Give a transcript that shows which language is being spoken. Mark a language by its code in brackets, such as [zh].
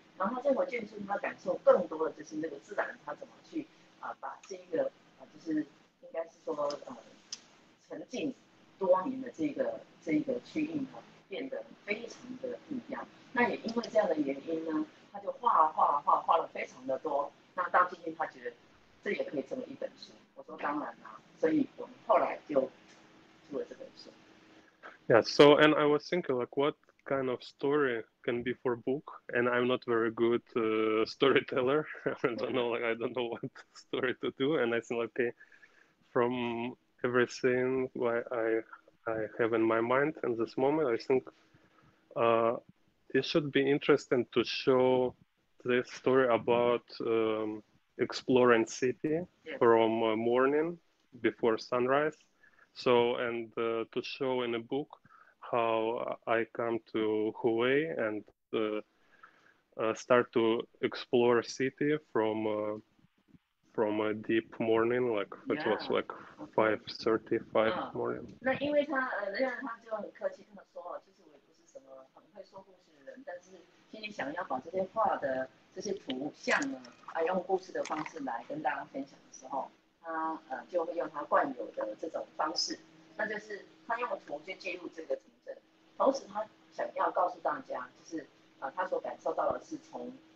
[zh] 然后建国眷村，他感受更多的就是那个自然，他怎么去把这个就是应该是说沉浸多年的这个区域哈，变得非常的不一样。那也因为这样的原因呢，他就画画画画了非常的多。那到今天他觉得这也可以成为一本书。我说当然啦、啊，所以我们后来就出了这本书。 [en] Yeah, so, and I was thinking, like, what kind of story can be for book? And I'm not very good storyteller. I don't know what story to do. And I said, okay, from everything I have in my mind in this moment, I think it should be interesting to show this story about exploring city from morning before sunrise. So, and to show in a book how I come to Hue and start to explore city from a deep morning, like it was like 5:35 morning. [zh] 那因为他让他就很客气这么说，就是我也不是什么很会说故事的人，但是心里想要把这些画的这些图像呢，用故事的方式来跟大家分享的时候，他就会用他惯有的这种方式，那就是他用图去介入这个城镇，同时他想要告诉大家，就是他所感受到的是从